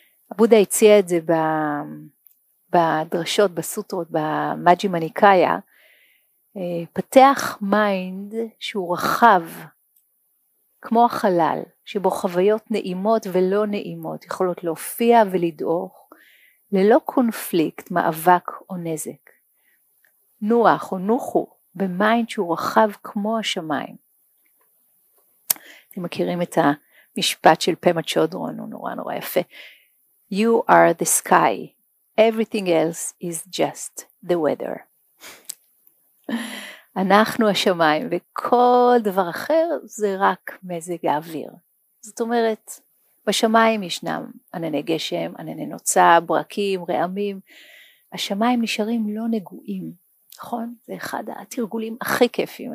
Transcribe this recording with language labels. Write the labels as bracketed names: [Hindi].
[Hebrew] הבודה הציע את זה בדרשות, בסוטרות, במאג'י מניקאיה, פתח מיינד שהוא רחב, כמו החלל, שבו חוויות נעימות ולא נעימות, יכולות להופיע ולדעוך, ללא קונפליקט, מאבק או נזק. נוח או נוחו במיינד שהוא רחב כמו השמיים. אתם מכירים את המשפט של פמה צ'ודרון, הוא נורא נורא יפה. [English] You are the sky. Everything else is just the weather. [Hebrew] אנחנו השמיים, וכל דבר אחר זה רק מזג האוויר. זאת אומרת, בשמיים ישנם ענני גשם, ענני נוצה, ברקים, רעמים. השמיים נשארים לא נגועים, נכון? זה אחד התרגולים הכי כיפים.